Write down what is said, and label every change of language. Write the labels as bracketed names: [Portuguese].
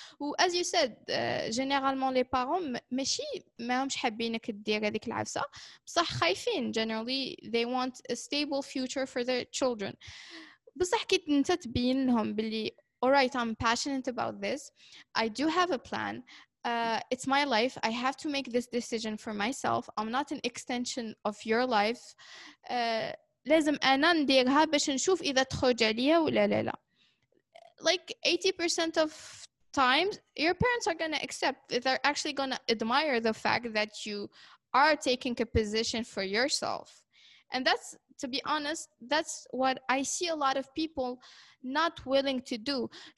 [English] Who, as you said, generally, [French] les parents, [Arabic] ماشي ما همش حابينك تدير هذيك العفسة, بصح خايفين. [English] Generally, they want a stable future for their children. [Arabic] بصح كي انت تبين لهم بلي, [English] all right, I'm passionate about this. I do have a plan. It's my life. I have to make this decision for myself. I'm not an extension of your life. [Arabic] لازم أنا نديرها باش نشوف إذا تخرج عليا ولا لا. [English] Like 80% of times, your parents are gonna accept. They're actually gonna admire the fact that you are taking a position for yourself. And that's, to be honest, that's what I see a lot of people not willing to do.